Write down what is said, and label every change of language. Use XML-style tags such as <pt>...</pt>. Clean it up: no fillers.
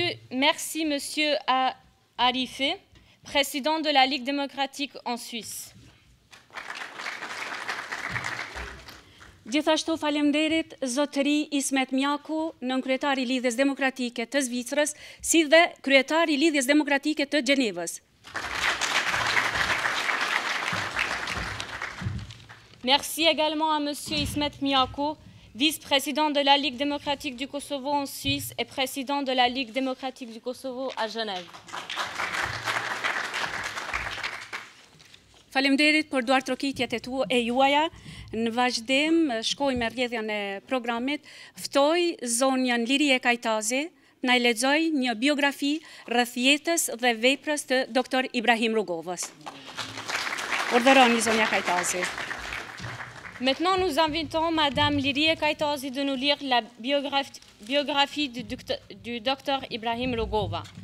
<fr>Merci Monsieur Arifi, président de la Ligue démocratique en Suisse.</fr> <sq>Gjithashtu faleminderit zotëri Ismet Mjaku, nën kryetari i lidhjes demokratike të Zvicrës, si dhe kryetari i lidhjes demokratike të Gjenevës.</sq> <fr>Merci également à monsieur Ismet Mjaku, vice-président de la Ligue démocratique du Kosovo en Suisse et président de la Ligue démocratique du Kosovo à Genève.</fr> <sq>Faleminderit për duart rokitjet e tua e juaja. Në vazhdim shkoj me rrjedhjen e programit. Ftoj zonjën Lirie Kajtazi na e lexoj një biografi rreth jetës dhe veprës të doktor Ibrahim Rugovës. Urdhëroni zonja Kajtazi.</sq> <fr>Maintenant nous invitons madame Lirie Kajtazi de nous lire la biographie du docteur Ibrahim Rugova.</fr>